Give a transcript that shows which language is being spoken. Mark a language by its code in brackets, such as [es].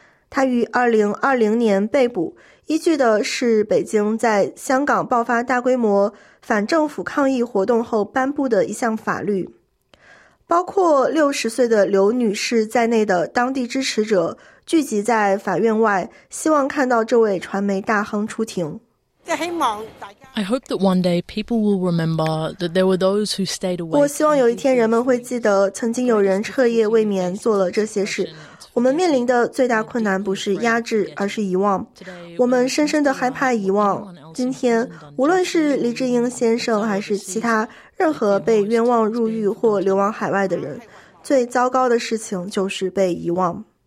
[zh] 他于2020年被捕，依据的是北京在香港爆发大规模反政府抗议活动后颁布的一项法律。包括60岁的刘女士在内的当地支持者聚集在法院外，希望看到这位传媒大亨出庭。 [en] I hope that one day people will remember that there were those who stayed awake. [zh] 我希望有一天人们会记得，曾经有人彻夜未眠做了这些事。我们面临的最大困难不是压制，而是遗忘。我们深深的害怕遗忘。今天，无论是黎智英先生，还是其他任何被冤枉入狱或流亡海外的人，最糟糕的事情就是被遗忘。